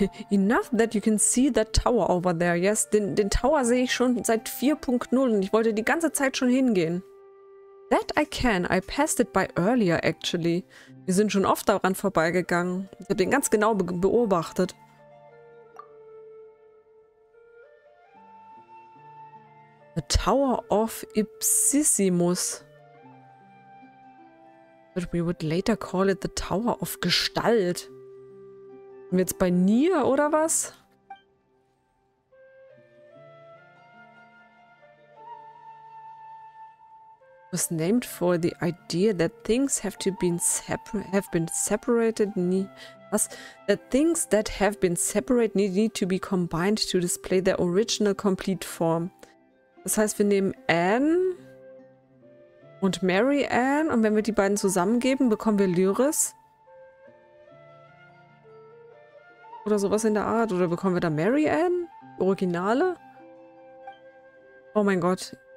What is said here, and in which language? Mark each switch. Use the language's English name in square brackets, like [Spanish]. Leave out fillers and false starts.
[English] Enough that you can see that tower over there. [German] Yes, den Tower sehe ich schon seit 4.0 und ich wollte die ganze Zeit schon hingehen. [English] That I can. I passed it by earlier, actually. [German] Wir sind schon oft daran vorbeigegangen. Ich habe den ganz genau beobachtet. [English] The Tower of Ipsissimus. But we would later call it the Tower of Gestalt. [German] Sind wir jetzt bei Nier oder was? [English] Was named for the idea that things have to been separated. That things that have been separated need to be combined to display their original complete form. [German] Das heißt, wir nehmen Anne und Mary Anne und wenn wir die beiden zusammengeben, bekommen wir Lyris. Oder sowas in der Art. Oder bekommen wir da Mary Anne? Originale? Oh mein Gott.